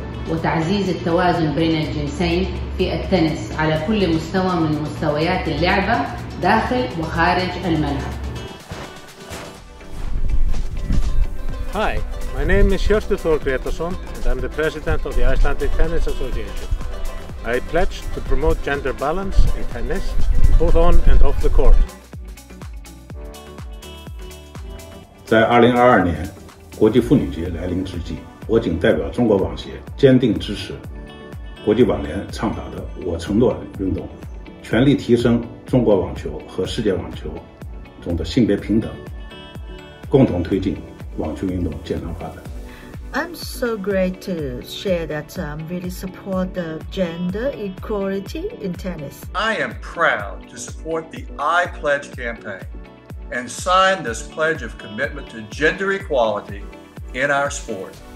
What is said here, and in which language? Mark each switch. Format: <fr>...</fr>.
<ar>وتعزيز التوازن بين الجنسين في التنس على كل مستوى من مستويات اللعبة داخل وخارج الملعب.</ar> <en>Hi, my name is Hjörtur Thor Grétarsson and I'm the president of the Icelandic Tennis Association. I pledge to promote gender balance in tennis, both on and off the court.</en> <zh>在2022年，国际妇女节来临之际。我谨代表中国网协坚定支持国际网联倡导的我承诺运动，全力提升中国网球和世界网球中的性别平等，共同推进网球运动健康发展。</zh> <en>I'm so great to share that I'm really support the gender equality in tennis. I am proud to support the I Pledge campaign and sign this pledge of commitment to gender equality in our sport.</en>